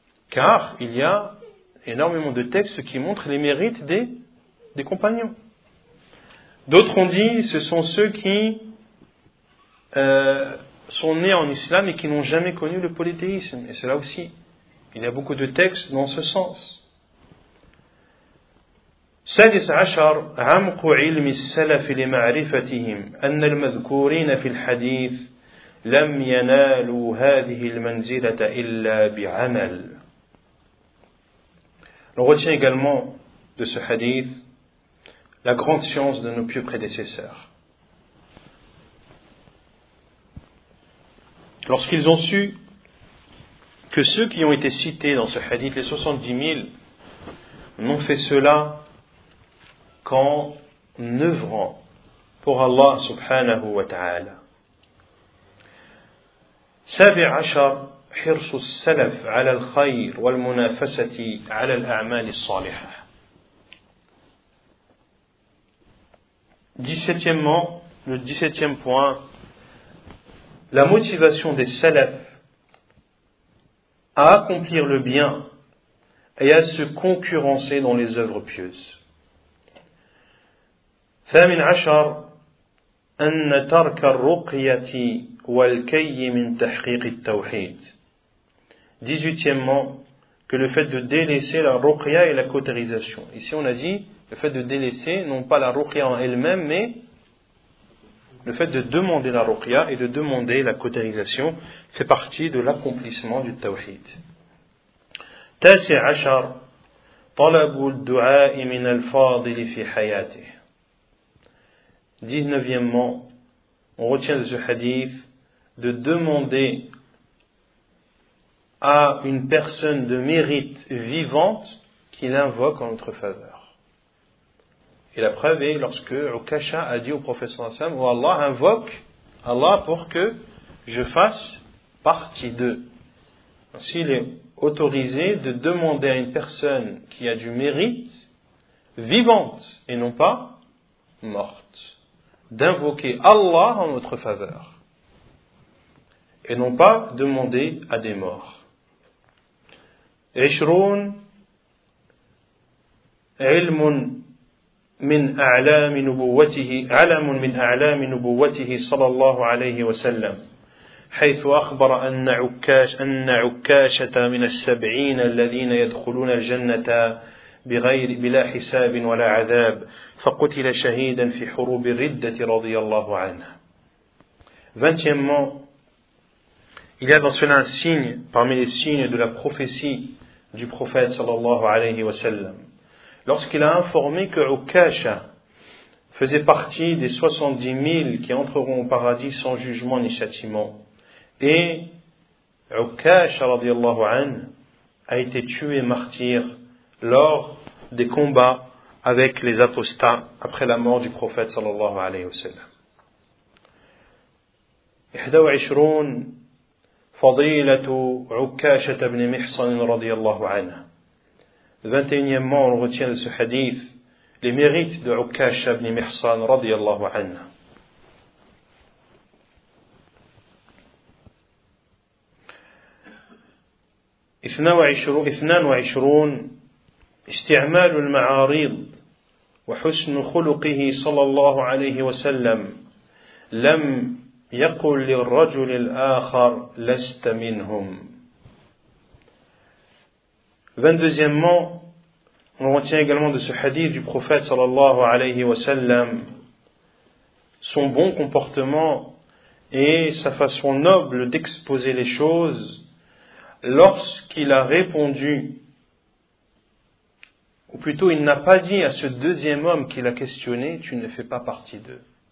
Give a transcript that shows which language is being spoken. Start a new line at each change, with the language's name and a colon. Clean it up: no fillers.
French: Car il y a énormément de textes qui montrent les mérites des compagnons. D'autres ont dit ce sont ceux qui sont nés en islam et qui n'ont jamais connu le polythéisme. Et cela aussi, il y a beaucoup de textes dans ce sens.
Arabic: سادس عشر عمق علم السلف لمعرفتهم أن المذكورين في الحديث لم ينالوا هذه المنزلة إلا بعمل.
French: On retient également de ce hadith la grande science de nos pieux prédécesseurs. Lorsqu'ils ont su que ceux qui ont été cités dans ce hadith, les 70 000, n'ont fait cela qu'en œuvrant pour Allah subhanahu wa ta'ala.
Arabic: سابع عشر حرص السلف على الخير والمنافسة على الأعمال الصالحة.
French: 17th, le 17th point, la motivation des salafs à accomplir le bien et à se concurrencer dans les œuvres pieuses.
Arabic: 18th, أن ترك الرقية والكي من تحقيق التوحيد.
French: 18th, que le fait de délaisser la ruqya et la cauterisation. Ici on a dit le fait de délaisser non pas la ruqya en elle-même, mais le fait de demander la ruqya et de demander la cauterisation fait partie de l'accomplissement du tawhid.
Arabic: 19th, طلب الدعاء من الفاضل في حياته.
French: 19th, on retient de ce hadith de demander à une personne de mérite vivante qu'il invoque en notre faveur. Et la preuve est lorsque Ukasha a dit au prophète sallam, oh Allah, invoque Allah pour que je fasse partie d'eux. Ainsi, il est autorisé de demander à une personne qui a du mérite vivante et non pas morte, d'invoquer Allah en notre faveur et non pas demander à des morts.
Arabic: عشرون علم من أعلام نبوته علم من أعلام نبوته صلى الله عليه وسلم حيث أخبر أن عكاشة من السبعين الذين يدخلون الجنة بغير بلا حساب ولا عذاب فقتل شهيدا في حروب الردة رضي الله عنه.
French: 20th, il y a dans cela un signe parmi les signes de la prophétie du prophète sallallahu alayhi wa sallam, lorsqu'il a informé que Ukasha faisait partie des 70 000 qui entreront au paradis sans jugement ni châtiment, et Ukasha radiallahu anhu a été tué martyr lors des combats avec les apostats après la mort du prophète sallallahu alayhi wa sallam.
Arabic: 21, فضيلة عكاشة بن محصن رضي الله عنه.
French: 21th, on retient de ce hadith les mérites de عكاشة بن محصن رضي الله عنه.
Arabic: اثنان وعشرون استعمال المعاريض وحسن خلقه صلى الله عليه وسلم لم يقل للرجل الآخر لست منهم.
French: 22th, on retient également de ce hadith du prophète sallallahu alayhi wa sallam son bon comportement et sa façon noble d'exposer les choses lorsqu'il a répondu, ou plutôt il n'a pas dit à ce deuxième homme qui l'a questionné, tu ne fais pas partie d'eux.